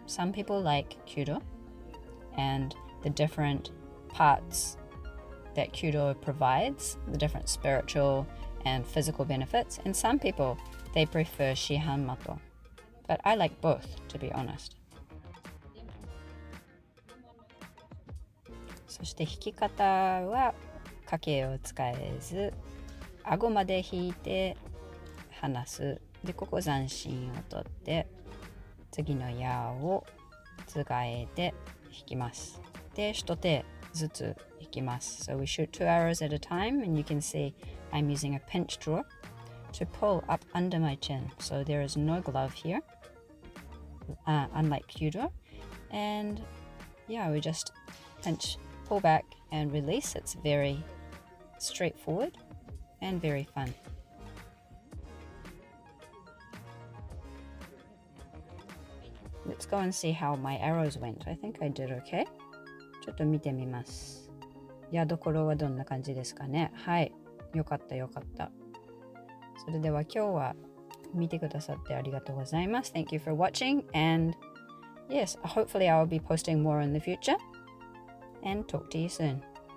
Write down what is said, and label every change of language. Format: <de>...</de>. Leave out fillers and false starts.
<en>Some people like kyudo and the different parts that kyudo provides, the different spiritual and physical benefits, and some people they prefer shihan mato, but I like both, to be honest.</en> <ja>そして引き方は家計を使えず、顎まで引いて離す。で、ここ斬新を取って、次の矢をつがえて引きます。で、一手ずつ引きます。</ja> <en>So we shoot 2 arrows at a time, and you can see I'm using a pinch draw to pull up under my chin. So there is no glove here, unlike kyudo. And yeah, we just pinch, pull back and release. It's very... straightforward and very fun. Let's go and see how my arrows went. I think I did okay.</en> <ja>ちょっと見てみます。宿所はどんな感じですかね。はい、よかったよかった。それでは今日は見てくださってありがとうございます。</ja> <en>Thank you for watching and yes, hopefully I will be posting more in the future and talk to you soon.</en>